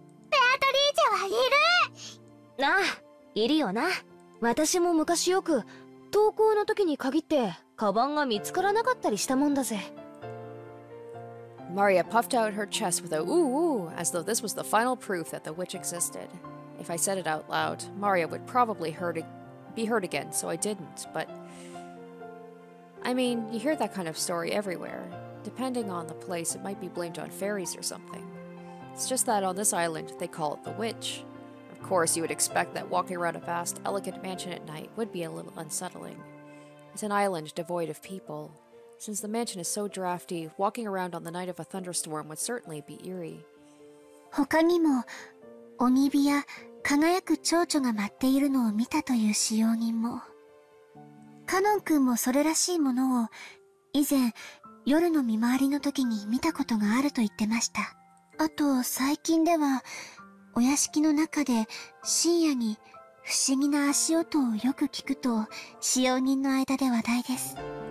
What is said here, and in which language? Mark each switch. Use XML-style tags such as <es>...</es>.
<ja>ベアトリーチェはいる！なあ、いるよな。私も昔よく登校の時に限ってカバンが見つからなかったりしたもんだぜ。</ja> <en>Maria puffed out her chest with a ooh-ooh, as though this was the final proof that the witch existed. If I said it out loud, Maria would probably be heard again, so I didn't, but... I mean, you hear that kind of story everywhere. Depending on the place, it might be blamed on fairies or something. It's just that on this island, they call it the witch. Of course, you would expect that walking around a vast, elegant mansion at night would be a little unsettling. It's an island devoid of people. Since the mansion is so drafty, walking around on the night of a thunderstorm would certainly be eerie.</en> <ja>他にも、鬼火や輝く蝶々が舞っているのを見たという使用人も。カノン君もそれらしいものを以前夜の見回りの時に見たことがあると言ってました。あと最近ではお屋敷の中で深夜に不思議な足音をよく聞くと使用人の間で話題です。</ja>